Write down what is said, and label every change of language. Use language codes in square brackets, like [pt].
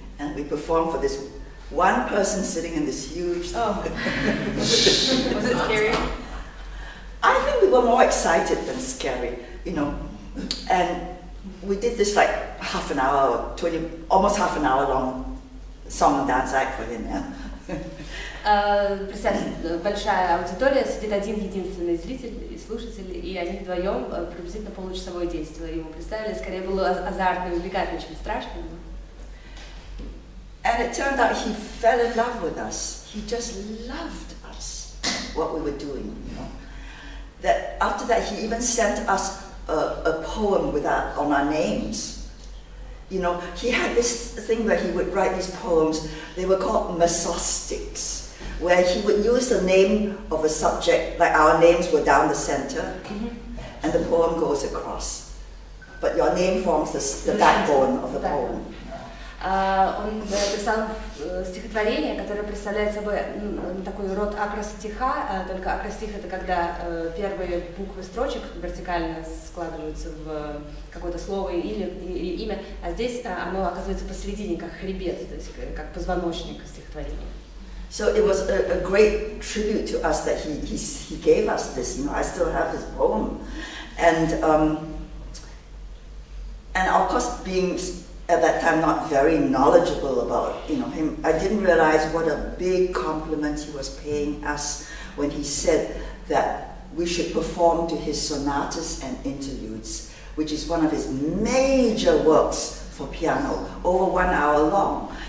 [en] And we perform for this one person sitting in this huge. Oh. Was it scary? I think we were more excited than scary, you know. And we did this like half an hour, almost half an hour long. Song and dance act for him, yeah. [ru] Представьте, большая аудитория, сидит один единственный зритель и слушатель, и они вдвоем приблизительно получасовое действие ему представили. Скорее было азартно и увлекательно, чем страшно. [en] And it turned out he fell in love with us. He just loved us, what we were doing, you know. That after that he even sent us a poem on our names. You know, he had this thing where he would write these poems, they were called masostics, where he would use the name of a subject, like our names were down the center, mm-hmm. and the poem goes across. But your name forms the backbone of the poem. [ru] Он написал стихотворение, которое представляет собой такой род акростиха, только акростих — это когда первые буквы строчек вертикально складываются в какое-то слово или имя, а здесь оно оказывается посередине, как хребет, то есть как позвоночник стихотворения. [en] So it was a great tribute to us that he gave us this. You know, I still have his poem. And of course, being at that time not very knowledgeable about, you know, him, I didn't realize what a big compliment he was paying us when he said that we should perform to his sonatas and interludes, which is one of his major works for piano, over 1 hour long.